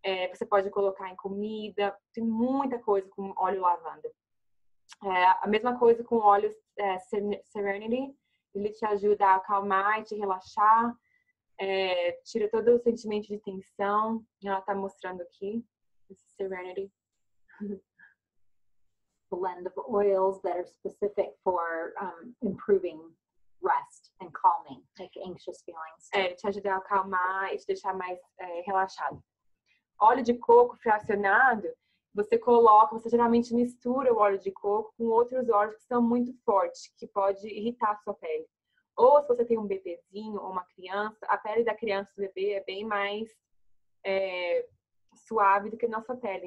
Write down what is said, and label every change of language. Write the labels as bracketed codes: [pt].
[pt] Você pode colocar em comida, tem muita coisa com óleo lavanda. A mesma coisa com óleo Serenity, ele te ajuda a acalmar e te relaxar. Tira todo o sentimento de tensão, ela tá mostrando aqui, Serenity. [en] Blend of oils that are specific for improving rest and calming, like anxious feelings. [pt] Te ajudar a acalmar e te deixar mais relaxado. Óleo de coco fracionado, você geralmente mistura o óleo de coco com outros óleos que são muito fortes, que pode irritar a sua pele. Ou se você tem um bebezinho ou uma criança, a pele da criança e do bebê é bem mais suave do que a nossa pele.